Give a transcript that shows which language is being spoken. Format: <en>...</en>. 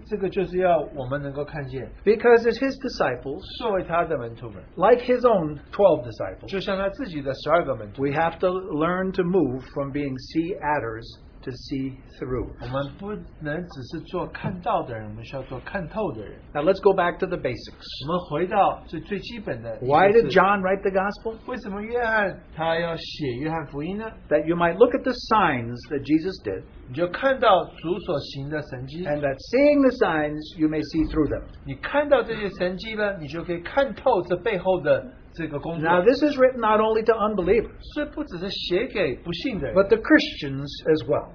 <zh>所以这个就是要我们能够看见。</zh> <en>Because it's his disciples,</en> <zh>作为他的门徒们,</zh> <en>like his own 12 disciples,</en> <zh>就像他自己的12个门徒,</zh> <en>we have to learn to move from being see adders to see through.</en> <zh>我们不能只是做看到的人, 我们需要做看透的人。</zh> <en>Now let's go back to the basics.</en> <zh>我们回到最基本的,</zh> <en>why did John write the gospel?</en> <zh>为什么约翰他要写约翰福音呢?</zh> <en>That you might look at the signs that Jesus did,</en> <zh>你就看到主所行的神迹,</zh> <en>and that seeing the signs, you may see through them.</en> <zh>你看到这些神迹呢, 你就可以看透这背后的,</zh> <en>now this is written not only to unbelievers, but the Christians as well.</en>